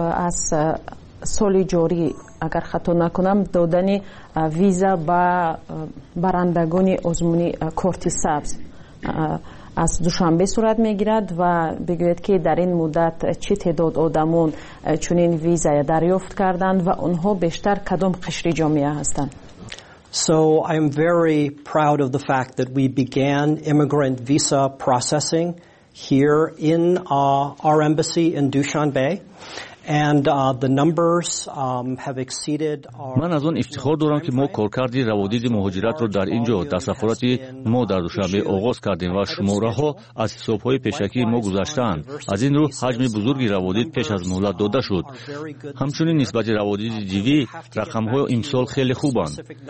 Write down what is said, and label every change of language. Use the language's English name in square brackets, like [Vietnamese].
[Persian] از سال جاری اگر خطا نکنم دادن ویزا به برندگان آزمونی کارت سبز از دوشنبه صورت میگیرد و بگوید که در این مدت چه تعداد آدمون چنین ویزا دریافت کردند و اونها بیشتر کدام قشر جامعه هستند؟ [English] So I am very proud of the fact that we began immigrant visa processing here in our embassy in Dushanbe and the numbers have exceeded our [Persian] من از اون افتخار دارم که ما کارکرد روادید مهاجرت رو در اینجا در سفارت ما در دوشنبه آغاز کردیم و شماره ها از حساب های پیشکی ما گذشتن. از این رو حجم بزرگی روادید پیش از مهلت داده شد. همچنین نسبت روادید دیوی رقم های امسال خیلی خوبند.